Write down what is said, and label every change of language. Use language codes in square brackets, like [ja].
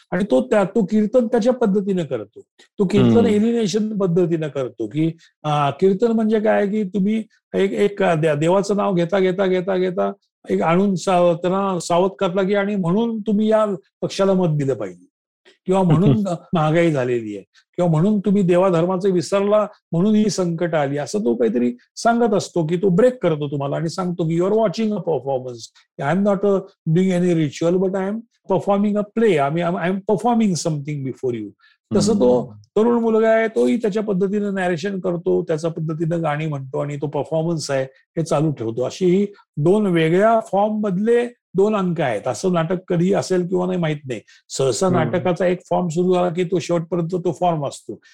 [mr] आणि तो त्या तो कीर्तन त्याच्या पद्धतीने करतो. तो कीर्तन एलिनेशन पद्धतीने करतो की कीर्तन म्हणजे काय की तुम्ही एक एक देवाचं नाव घेता घेता घेता घेता एक आणून त्यांना सावध करता की आणि म्हणून तुम्ही या पक्षाला मत दिलं पाहिजे किंवा म्हणून महागाई झालेली आहे किंवा म्हणून तुम्ही देवाधर्माचं विसरला म्हणून ही संकट आली असं तो काहीतरी सांगत असतो की तो ब्रेक करतो तुम्हाला आणि सांगतो की [en] You're watching a performance. I am not doing any ritual but I am performing a play. I mean I am performing something before you. [mr] तसं तो तरुण मुलगा आहे तोही त्याच्या पद्धतीनं नॅरेशन करतो त्याच्या पद्धतीनं गाणी म्हणतो आणि तो परफॉर्मन्स आहे हे चालू ठेवतो. अशी ही दोन वेगळ्या फॉर्म मधले दोन अंक आहेत. असं नाटक कधी असेल किंवा नाही माहित नाही. सहसा नाटकाचा एक फॉर्म सुरू झाला की तो शेवटपर्यंत तो फॉर्म असतो.